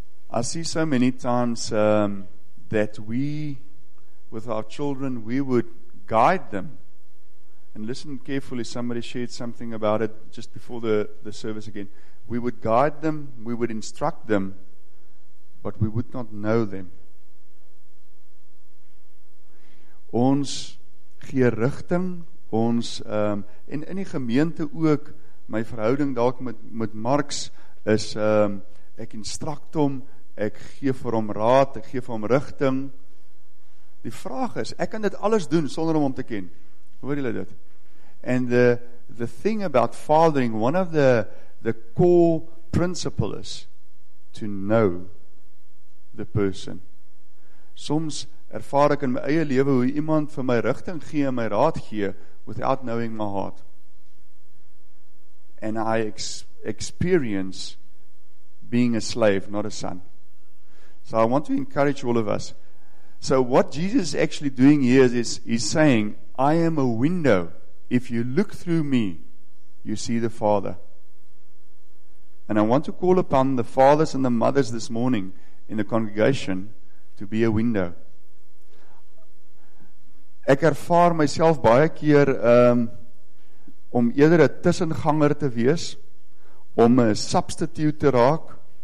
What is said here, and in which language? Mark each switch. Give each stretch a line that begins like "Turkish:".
English: I see so many times that we, with our children, we would guide them. And listen carefully, somebody shared something about it just before the service again. We would guide them, we would instruct them, but we would not know them.
Afrikaans: Ons gee rigting, ons in die gemeente ook, my verhouding dalk met Marx is, ek instruct hom, ek gee vir hom raad, ek gee vir hom rigting. Die vraag is, ek kan dit alles doen sonder om hom te ken. Hoor julle dit?
English: And the thing about fathering, one of the core principles is to know the person.
Afrikaans: Soms ervaar ek in my eie lewe hoe iemand vir my rigting gee en my raad gee
English: without knowing my heart. And I experience being a slave, not a son. So I want to encourage all of us. So what Jesus is actually doing here is he's saying, I am a window. If you look through me, you see the Father. And I want to call upon the fathers and the mothers this morning. in the congregation to be a window.
Afrikaans: Ek ervaar myself baie keer om eerder 'n tussenganger te wees, om 'n substitute te raak.